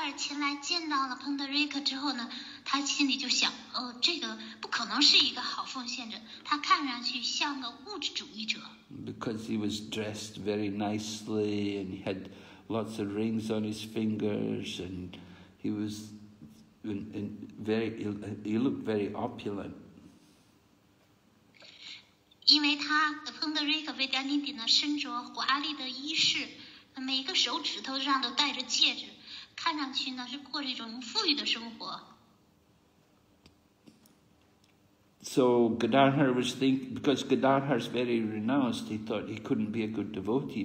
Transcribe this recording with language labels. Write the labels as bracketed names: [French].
[Chinese] 原来见到了彭德瑞克之后呢，他心里就想，哦，这个不可能是一个好奉献者，他看上去像个物质主义者。 [English] Because he was dressed very nicely and he had lots of rings on his fingers and he was he looked very opulent. [Chinese] 因为他亨德瑞克维加尼迪呢身着华丽的衣饰，每个手指头上都戴着戒指，看上去呢是过着一种富裕的生活。 [English] So Gadadhar was thinking, because Gadadhar's very renounced, he thought he couldn't be a good devotee.